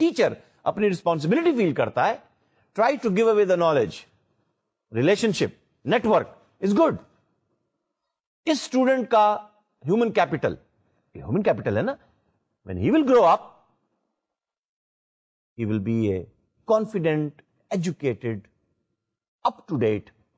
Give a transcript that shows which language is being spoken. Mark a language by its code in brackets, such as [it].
[ur] Teacher اپنی responsibility فیل کرتا ہے. [en] Try to give away the knowledge, relationship, network is good. [ur] اس student کا human capital, یہ human capital ہے نا, [en] when he will grow up he will be a confident, educated, up to date